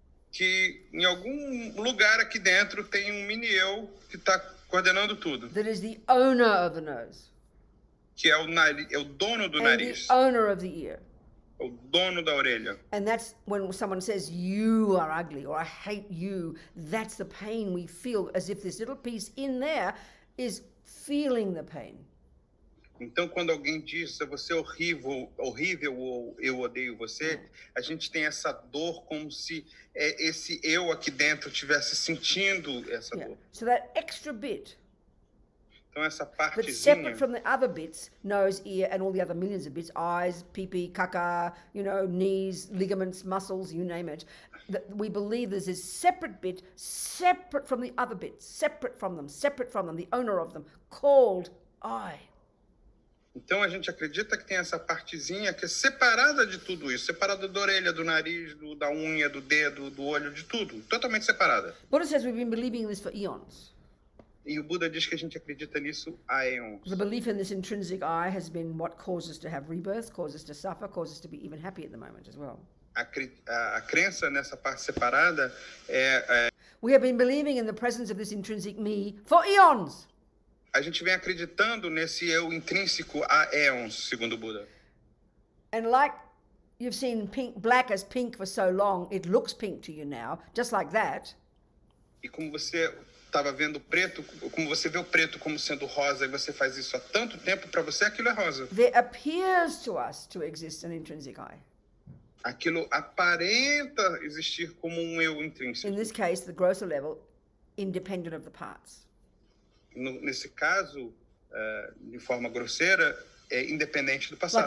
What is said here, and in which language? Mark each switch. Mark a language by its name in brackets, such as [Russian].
[Portuguese] Que em algum lugar aqui dentro tem um mini eu que está coordenando tudo. [English] That is the owner of the nose. [Portuguese] Que é o nariz, é o dono do [English] and [Portuguese] nariz. [English] And the owner of the ear. [Portuguese] O dono da orelha. [English] And that's when someone says, you are ugly, or I hate you. That's the pain we feel, as if this little piece in there is feeling the pain. [Portuguese] Então, quando alguém diz, você é horrível, horrível, ou eu odeio você, a gente tem essa dor como se esse eu aqui dentro estivesse sentindo essa dor. [English] So that extra bit. [Portuguese] Então, essa partezinha. [English] But separate from the other bits, nose, ear, and all the other millions of bits, eyes, pee-pee, caca, you know, knees, ligaments, muscles, you name it, that we believe there's this separate bit, separate from the other bits, separate from them, the owner of them, called I. [Portuguese] Então, a gente acredita que tem essa partezinha que é separada de tudo isso, separada da orelha, do nariz, da unha, do dedo, do olho, de tudo, totalmente separada. [English] Buddha says we've been believing this for eons. [Portuguese] E o Buda diz que a gente acredita nisso há eons. [English] The belief in this intrinsic eye has been what causes to have rebirth, causes to suffer, causes to be even happy at the moment as well. [Portuguese] A crença nessa parte separada [English] We have been believing in the presence of this intrinsic me for eons. [Portuguese] A gente vem acreditando nesse eu intrínseco há eons, segundo o Buda. [English] And like you've seen pink, black as pink for so long, it looks pink to you now, just like that. [Portuguese] E como você estava vendo o preto, como você vê o preto como sendo rosa e você faz isso há tanto tempo, para você aquilo é rosa. [English] There appears to us to exist an intrinsic eye. [Portuguese] Aquilo aparenta existir como um eu intrínseco. [English] In this case, the grosser level, independent of the parts. [Portuguese] Nesse caso, de forma grosseira, é independente do passado.